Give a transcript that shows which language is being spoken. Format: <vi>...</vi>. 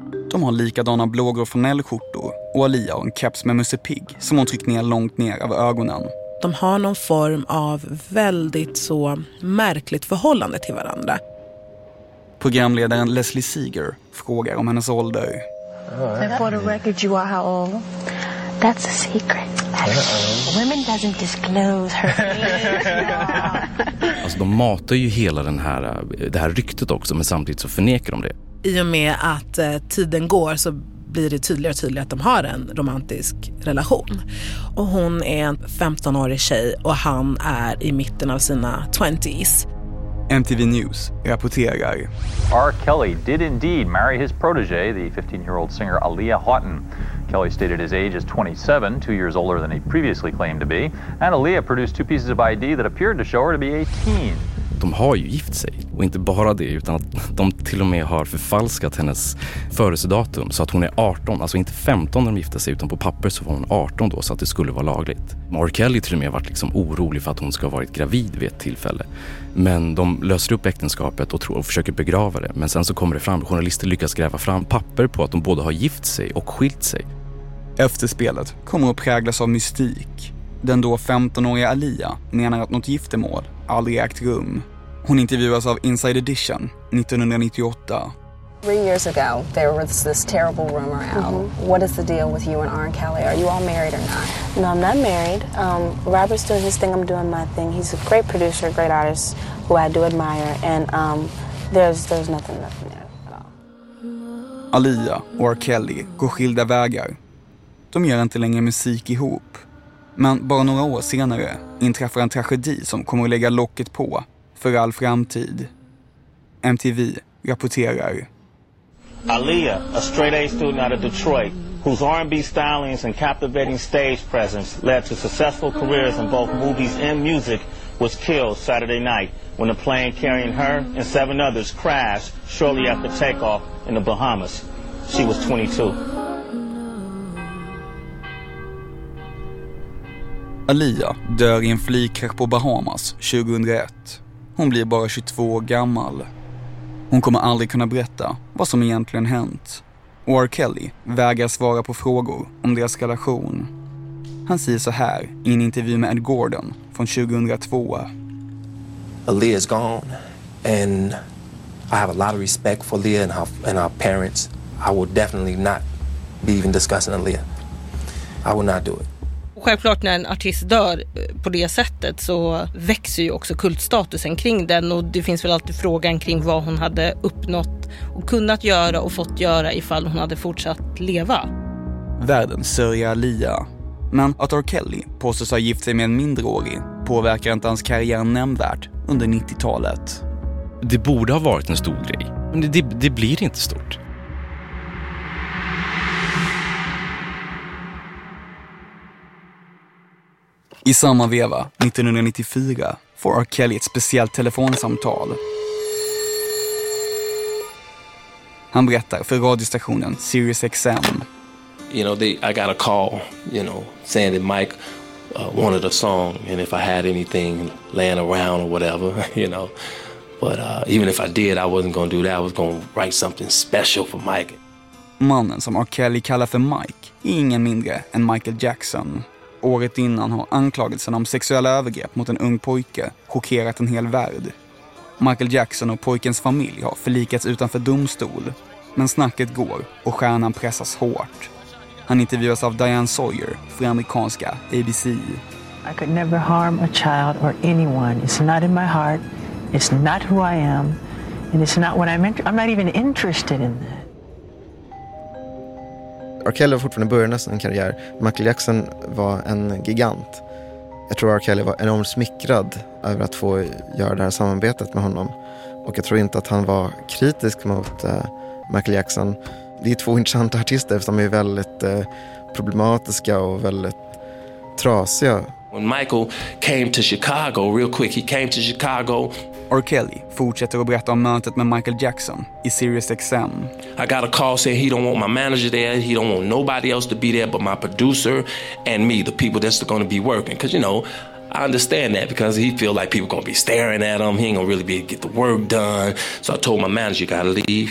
<sv>De har likadana blågrå flanellskjortor och Aaliyah och en keps med Musse Pig som hon tryckt ner långt ner av ögonen. De har någon form av väldigt så märkligt förhållande till varandra. Programledaren Leslie Seeger frågar om hennes ålder.</sv> <en>And for the record, you are how old? That's a secret. Women doesn't disclose her age.</en> <sv>Alltså de matar ju hela det här ryktet också, men samtidigt så förnekar de det. I och med att tiden går så blir det tydligare och tydligare att de har en romantisk relation. Och hon är en 15-årig tjej och han är i mitten av sina 20s. MTV News rapporterar.</sv> <en>R. Kelly did indeed marry his protege, the 15-year-old singer Aaliyah Houghton. Kelly stated his age is 27, 2 years older than he previously claimed to be. And Aaliyah produced 2 pieces of ID that appeared to show her to be 18.</en> <sv>De har ju gift sig, och inte bara det, utan att de till och med har förfalskat hennes födelsedatum så att hon är 18, alltså inte 15 när de gifte sig, utan på papper så var hon 18 då, så att det skulle vara lagligt. R. Kelly till och med varit liksom orolig för att hon ska ha varit gravid vid ett tillfälle, men de löser upp äktenskapet och försöker begrava det, men sen så kommer det fram, journalister lyckas gräva fram papper på att de både har gift sig och skilt sig. Efterspelet kommer att präglas av mystik. Den då 15-åriga Aaliyah menar att något giftermål aldrig ägt rum. Hon intervjuas av Inside Edition 1998.</sv> <en>3 years ago, there was this terrible rumor out. Mm-hmm. What is the deal with you and R. Kelly? Are you all married or not? No, I'm not married. Robert's doing his thing, I'm doing my thing. He's a great producer, a great artist, who I do admire, and there's nothing there at all.</en> <sv>Aaliyah och R. Kelly går skilda vägar. De gör inte längre musik ihop. Men bara några år senare inträffar en tragedi som kommer att lägga locket på för all framtid. MTV rapporterar.</sv> <en>Aaliyah, a straight A student out of Detroit, whose R&B stylings and captivating stage presence led to successful careers in both movies and music, was killed Saturday night when a plane carrying her and seven others crashed shortly after takeoff in the Bahamas. She was 22.</en> <sv>Aaliyah dör i en flygkrasch på Bahamas 2001. Hon blir bara 22 år gammal. Hon kommer aldrig kunna berätta vad som egentligen hänt. Och R. Kelly vägrar svara på frågor om deras relation. Han säger så här i en intervju med Ed Gordon från 2002.</sv> <en>Aaliyah is gone and I have a lot of respect for Aaliyah and our parents. I will definitely not be even discussing Aaliyah. I will not do it.</en> <sv>Självklart när en artist dör på det sättet så växer ju också kultstatusen kring den, och det finns väl alltid frågan kring vad hon hade uppnått och kunnat göra och fått göra ifall hon hade fortsatt leva. Världen sörjer Aaliyah, men att R. Kelly påstås ha gift sig med en mindreårig påverkar inte hans karriär nämnvärt under 90-talet. Det borde ha varit en stor grej, men det blir inte stort. I samma veva, 1994, får R. Kelly ett speciellt telefonsamtal. Han berättar för radiostationen Sirius XM.</sv> <en>You know, I got a call, you know, saying that Mike wanted a song and if I had anything laying around or whatever, you know. But even if I did, I wasn't gonna do that. I was gonna write something special for Mike.</en> <sv>Mannen som R. Kelly kallar för Mike är ingen mindre än Michael Jackson. Året innan har anklagelsen om sexuella övergrepp mot en ung pojke chockerat en hel värld. Michael Jackson och pojkens familj har förlikats utanför domstol. Men snacket går och stjärnan pressas hårt. Han intervjuas av Diane Sawyer för amerikanska ABC.</sv> <en>I could never harm a child or anyone. It's not in my heart. It's not who I am. And it's not what I'm not even interested in that.</en> <sv>R. Kelly var fortfarande början av sin karriär. Michael Jackson var en gigant. Jag tror R. Kelly var enormt smickrad över att få göra det här samarbetet med honom. Och jag tror inte att han var kritisk mot Michael Jackson. Det är två intressanta artister som är väldigt problematiska och väldigt trasiga.</sv> <en>When Michael came to Chicago, real quick, he came to Chicago.</en> <sv>R. Kelly fortsätter att berätta om mötet med Michael Jackson i Sirius XM.</sv> <en>I got a call saying he don't want my manager there, he don't want nobody else to be there but my producer and me, the people that's going to be working. Because, you know, I understand that because he feel like people going to be staring at him, he ain't going to really be able to get the work done. So I told my manager, you got to leave.</en>